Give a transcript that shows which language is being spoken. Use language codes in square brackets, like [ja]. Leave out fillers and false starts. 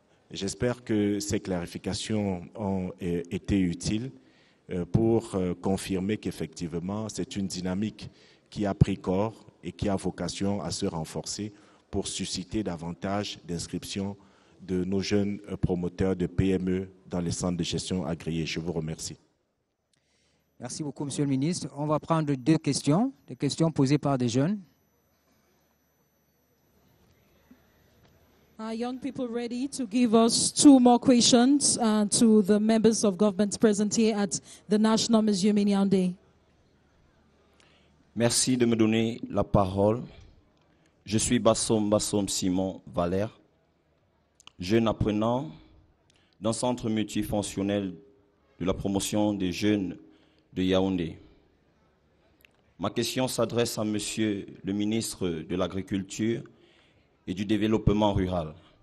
[fr] J'espère que ces clarifications ont été utiles pour confirmer qu'effectivement, c'est une dynamique qui a pris corps et qui a vocation à se renforcer pour susciter davantage d'inscriptions de nos jeunes promoteurs de PME dans les centres de gestion agréés. Je vous remercie. Merci beaucoup, Monsieur le ministre. On va prendre deux questions, des questions posées par des jeunes. [en] Are young people ready to give us two more questions to the members of government present here at the National Museum in Yaoundé? [fr] Merci de me donner la parole. Je suis Bassom Simon Valère, jeune apprenant dans le centre multifonctionnel de la promotion des jeunes de Yaoundé. Ma question s'adresse à Monsieur le ministre de l'Agriculture et du Développement Rural.